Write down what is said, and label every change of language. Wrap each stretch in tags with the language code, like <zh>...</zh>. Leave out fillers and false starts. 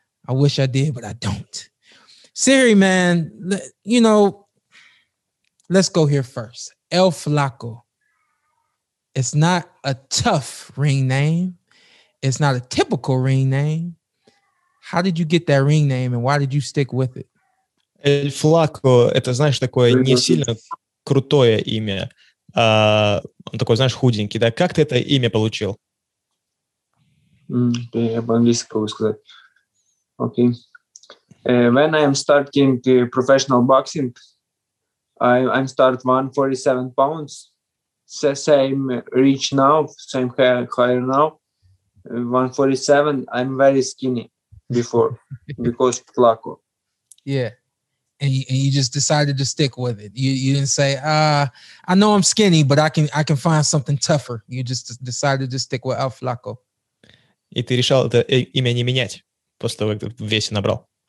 <en>I wish I did, but I don't. Serhii, man, you know, let's go here first. El Flaco. It's not a tough ring name. It's not a typical ring name. How did you get that ring name and why did you stick with it?</en> <ru>Эль Флако – это, знаешь, такое не сильно крутое имя. Он такой, знаешь, худенький. Да? Как ты это имя получил? Я по-английски могу сказать. Окей.</ru> <en>When I am starting professional boxing, I start 147 pounds. The same reach now, same hair now. 147, I'm very skinny before because Флако. Yeah. And you just decided to stick with it. You didn't say, I know I'm skinny, but I can find something tougher. You just decided to stick with El Flaco.</en> <ru>И ты решил это имя не менять после того, как весь набрал?</ru>